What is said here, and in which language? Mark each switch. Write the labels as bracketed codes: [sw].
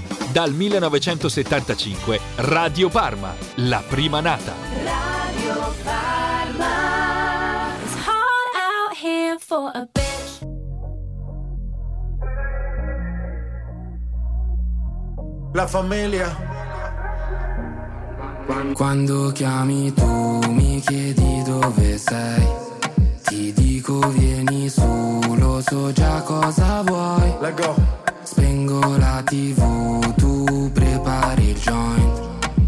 [it] Dal 1975 Radio Parma, la prima nata. Radio Parma. [en] It's hard out here for a bitch. [it] La famiglia. Quando chiami tu mi chiedi dove sei. Ti dico vieni su, lo so già cosa vuoi. La go. Spengo la TV, tu prepari il joint.